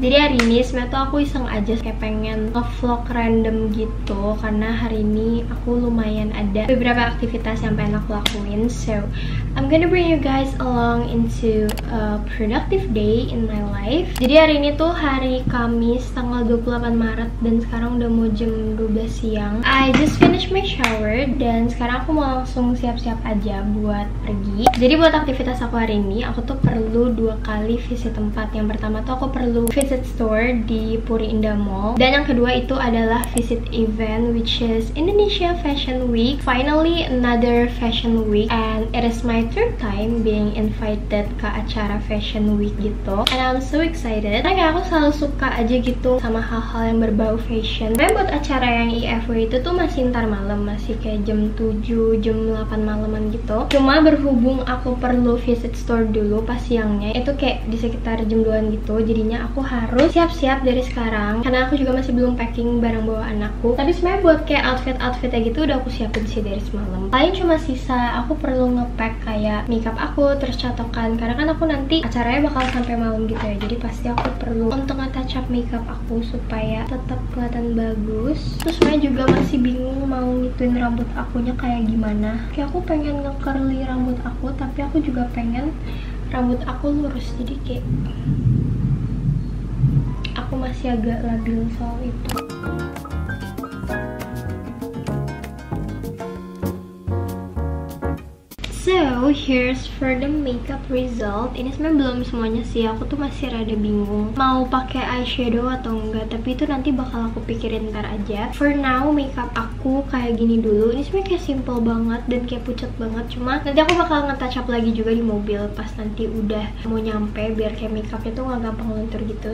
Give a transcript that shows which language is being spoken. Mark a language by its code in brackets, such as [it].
[id] Jadi hari ini sebenarnya tuh aku iseng aja kayak pengen nge-vlog random gitu karena hari ini aku lumayan ada beberapa aktivitas yang pengen aku lakuin. [en] So, I'm gonna bring you guys along into a productive day in my life. [id] Jadi hari ini tuh hari Kamis tanggal 28 Maret dan sekarang udah mau jam 12 siang. [en] I just finished my shower [id] dan sekarang aku mau langsung siap-siap aja buat pergi. Jadi buat aktivitas aku hari ini, aku tuh perlu dua kali visit tempat. Yang pertama tuh aku perlu visit store di Puri Indah Mall. Dan yang kedua itu adalah visit event [en] which is Indonesia Fashion Week. Finally another Fashion Week and it is my third time being invited [id] ke acara [en] Fashion Week gitu. And I'm so excited. [id] Karena kayak aku selalu suka aja gitu sama hal-hal yang berbau fashion. Dan buat acara yang IFW itu tuh masih ntar malam, masih kayak jam 7, jam 8 malaman gitu. Cuma berhubung aku perlu visit store dulu pas siangnya, itu kayak di sekitar jam 2-an gitu. Jadinya aku harus siap-siap dari sekarang karena aku juga masih belum packing barang bawaan aku. Tapi sebenarnya buat kayak outfit-outfitnya gitu udah aku siapin sih dari semalam. Paling cuma sisa aku perlu ngepack kayak makeup aku, terus catokan karena kan aku nanti acaranya bakal sampai malam gitu ya. Jadi pasti aku perlu untuk nge-touch up makeup aku supaya tetap kelihatan bagus. Terus sebenarnya juga masih bingung mau ngituin rambut akunya kayak gimana. Kayak aku pengen nge-curly rambut aku tapi aku juga pengen rambut aku lurus, jadi kayak aku masih agak labil soal itu. [en] So, here's for the makeup result. [id] Ini sebenarnya belum semuanya sih. Aku tuh masih rada bingung mau pakai eyeshadow atau enggak. Tapi itu nanti bakal aku pikirin ntar aja. [en] For now, [id] makeup aku kayak gini dulu. Ini sebenarnya kayak simple banget dan kayak pucat banget. Cuma nanti aku bakal nge-touch up lagi juga di mobil pas nanti udah mau nyampe biar kayak makeupnya tuh gak gampang luntur gitu.